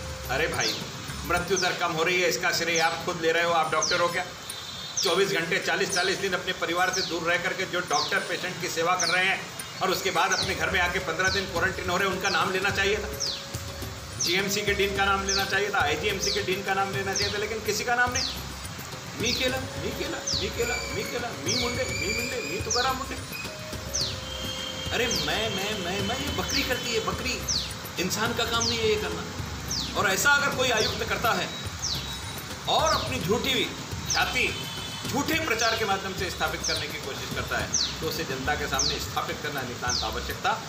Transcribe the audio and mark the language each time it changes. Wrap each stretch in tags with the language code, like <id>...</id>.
<hi>अरे भाई, मृत्यु दर कम हो रही है, इसका श्रेय आप खुद ले रहे हो, आप डॉक्टर हो क्या? 24 घंटे 40-40 दिन अपने परिवार से दूर रह करके जो डॉक्टर पेशेंट की सेवा कर रहे हैं और उसके बाद अपने घर में आके 15 दिन क्वारंटीन हो रहे हैं, उनका नाम लेना चाहिए था, जीएमसी के डीन का नाम लेना चाहिए था, आईजीएमसी के डीन का नाम लेना चाहिए था, लेकिन किसी का नाम नहीं।</hi> <mr>मी केला, मी केला, मी केला, मी केला, मी मुंडे, मी मुंडे, मी तुकाराम मुंडे।</mr> <hi>अरे मैं ये बकरी करती है, बकरी इंसान का काम नहीं है ये करना। और ऐसा अगर कोई आयुक्त करता है और अपनी झूठी हुई ख्याति झूठे प्रचार के माध्यम से स्थापित करने की कोशिश करता है तो उसे जनता के सामने स्थापित करना नितांत आवश्यक था।</hi>